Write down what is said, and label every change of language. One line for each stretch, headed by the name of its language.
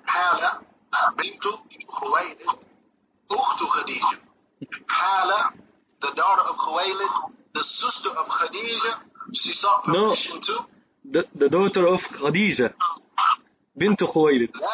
Arabic: هالة بنت خويلد أخت خديجة.
English: هالة the daughter of خويلد the sister of خديجة. She sought permission to the daughter of خديجة بنت خويلد.